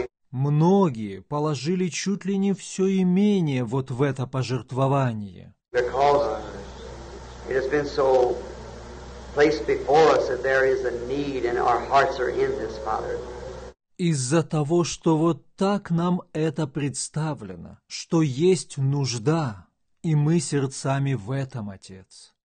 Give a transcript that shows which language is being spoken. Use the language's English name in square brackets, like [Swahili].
[Russian] Многие положили чуть ли не все имение вот в это пожертвование. [English] Because it has been so placed before us that there is a need and our hearts are in this, Father. [Russian] Из-за того, что вот так нам это представлено, что есть нужда, и мы сердцами в этом, Отец.